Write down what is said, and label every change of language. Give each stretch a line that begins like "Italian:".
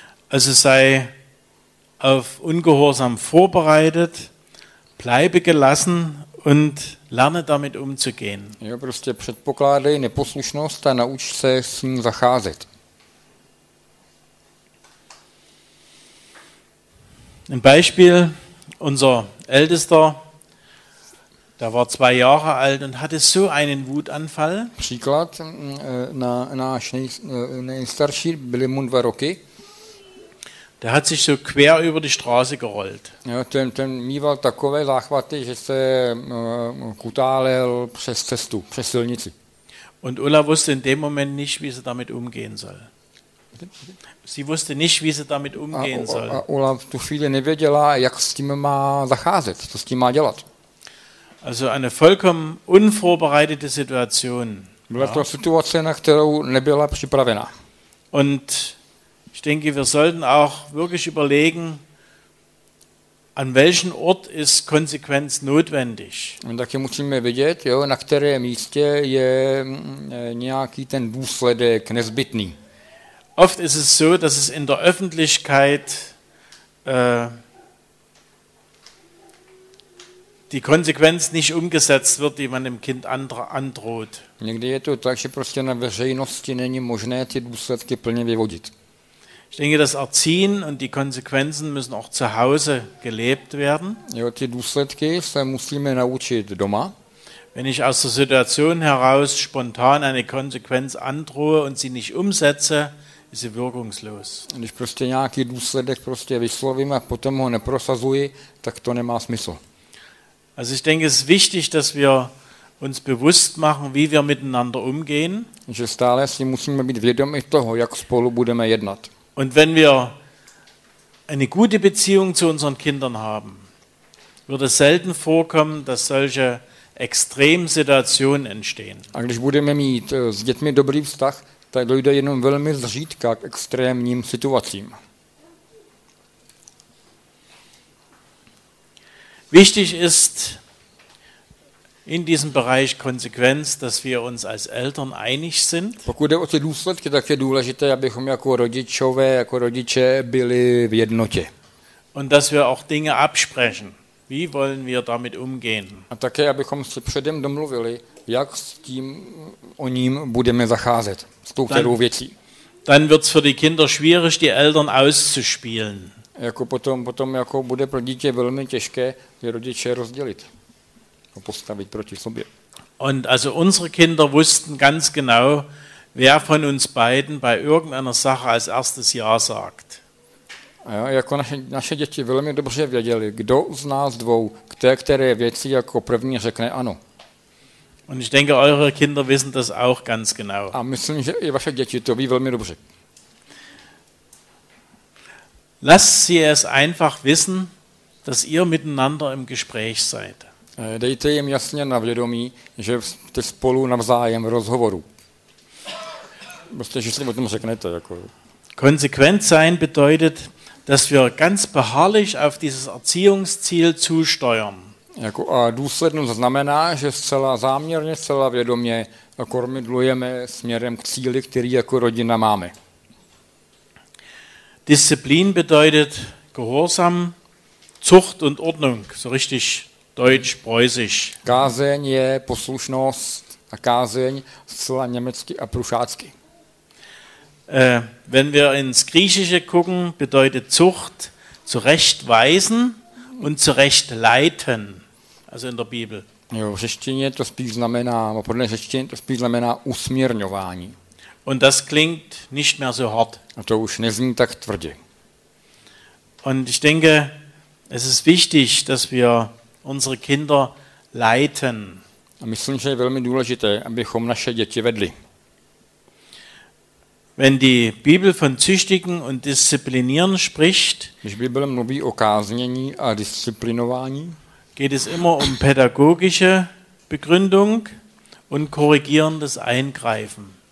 German: Also sei auf Ungehorsam vorbereitet, bleibe gelassen und lerne damit umzugehen.
Czech: Jo, prostě předpokládej neposlušnost a nauč se s ním zacházet.
German: Ein Beispiel, unser Ältester, der war 2 Jahre alt und hatte so einen Wutanfall.
Czech: Příklad, náš nejstarší, byli mu 2 roky.
German: Der hat sich so quer über die Straße gerollt.
Czech: Ja, ten mýval takové záchvaty, že se kutálel přes cestu, přes silnici.
German: Und Ulla wusste in dem Moment nicht, wie sie damit umgehen soll. Sie wusste nicht, wie sie damit umgehen soll.
Czech: A Ulla v tu chvíli nevěděla, jak s tím má zacházet, co s tím má dělat.
German: Also eine vollkommen unvorbereitete Situation.
Czech: Byla to situace, na kterou nebyla připravena.
German: Und ich denke, wir sollten auch wirklich überlegen, an welchem Ort ist Konsequenz notwendig.
Czech: Und taky musíme vidět, jo, na kterém místě je nějaký ten důsledek nezbytný.
German: Oft ist es so, dass es in der Öffentlichkeit die Konsequenz nicht umgesetzt wird, die man dem Kind androht.
Czech: Někdy je to tak, že prostě na veřejnosti není možné ty důsledky plně vyvodit.
German: Ich denke, das Erziehen und die Konsequenzen müssen auch zu Hause gelebt werden.
Czech: Jo, ty důsledky se musíme naučit doma.
German: Wenn ich aus der Situation heraus spontan eine Konsequenz androhe und sie nicht umsetze, ist sie wirkungslos.
Czech: Když prostě nějaký důsledek prostě vyslovím a potom ho neprosazuji, tak to nemá smysl.
German: Also ich denke, es ist wichtig, dass wir uns bewusst machen, wie wir miteinander umgehen.
Czech: Že stále si musíme být vědomi toho, jak spolu budeme jednat.
German: Und wenn wir eine gute Beziehung zu unseren Kindern haben, wird es selten vorkommen, dass solche Extremsituationen entstehen.
Czech: A když budeme mít s dětmi dobrý vztah, tak dojde jenom velmi zřídka k extrémním situacím.
German: Wichtig ist in diesem Bereich Konsequenz, dass wir uns als Eltern einig sind.
Czech: Pokud jde o ty důsledky, tak je důležité, abychom jako rodičové, jako rodiče byli v jednotě.
German: Und dass wir auch Dinge absprechen. Wie wollen wir damit umgehen?
Czech: A také, abychom se předem domluvili, jak s tím o ním budeme zacházet, s tou kterou věcí.
German: Dann wird's für die Kinder schwierig, die Eltern auszuspielen.
Czech: Jako potom jako bude pro dítě velmi těžké je rodiče rozdělit a postavit proti sobě.
German: Und also unsere Kinder wussten ganz genau, wer von uns beiden bei irgendeiner Sache als erstes Ja sagt.
Czech: A jo, jako naše děti velmi dobře věděli, kdo z nás dvou k té které věci jako první řekne ano.
German: Und ich denke, eure Kinder wissen das auch ganz genau.
Czech: A myslím, že i vaše děti to ví velmi dobře.
German: Lass sie es einfach wissen, dass ihr miteinander im Gespräch seid.
Czech: Dejte jim jasně na vědomí, že jste spolu navzájem v rozhovoru. Prostě, že si o tom řeknete. Jako.
German: Konsequent sein bedeutet, dass wir ganz beharrlich auf dieses Erziehungsziel zusteuern.
Czech: Jako, a důslednost znamená, že zcela záměrně, zcela vědomě kormidlujeme směrem k cíli, který jako rodina máme.
German: Disziplin bedeutet Gehorsam, Zucht und Ordnung, so richtig deutsch-preußisch.
Czech: Kázeň je poslušnost a kázeň zcela německy a prušácky.
German: Wenn wir ins Griechische gucken, bedeutet Zucht zurechtweisen und zurechtleiten, also in der Bibel.
Czech: Jo, v řeštině to spíš znamená, podle řeštiny to spíš znamená usměrňování.
German: Und das klingt nicht mehr so hart.
Czech: A to už nezní tak tvrdě.
German: Und ich denke, es ist wichtig, dass wir unsere Kinder leiten.
Czech: A myslím, že je velmi důležité, abychom naše děti vedli.
German: Wenn die Bibel von züchtigen und disziplinieren spricht,
Czech: když Bibel mluví o káznění a disciplinování,
German: geht es immer um pädagogische Begründung und korrigierendes Eingreifen.